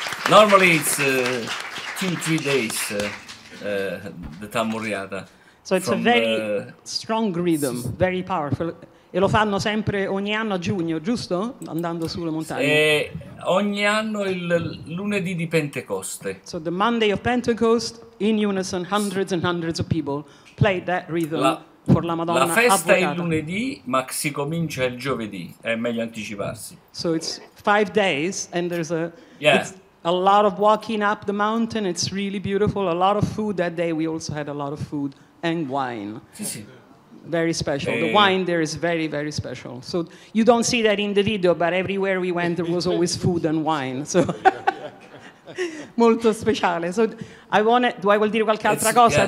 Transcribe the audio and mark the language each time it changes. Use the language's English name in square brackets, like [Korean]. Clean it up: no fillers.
[English] Normally it's 2-3 days, the Tammorriata. So it's a very strong rhythm, very powerful. [Italian] E lo fanno sempre ogni anno a giugno, giusto? Andando sulle montagne. Ogni anno il lunedì di Pentecoste. [English] So the Monday of Pentecost, in unison, hundreds and hundreds of people play that rhythm for la Madonna. [Italian] La festa avvocata. È il lunedì, ma si comincia il giovedì, è meglio anticiparsi. [English] So it's 5 days and there's a... Yeah. A lot of walking up the mountain, it's really beautiful. A lot of food that day, we also had a lot of food and wine. Very special. The wine there is very, very special. So you don't see that in the video, but everywhere we went, there was always food and wine. [Italian] So, molto speciale. [English] So I want to, do I vuol dire qualche altra cosa?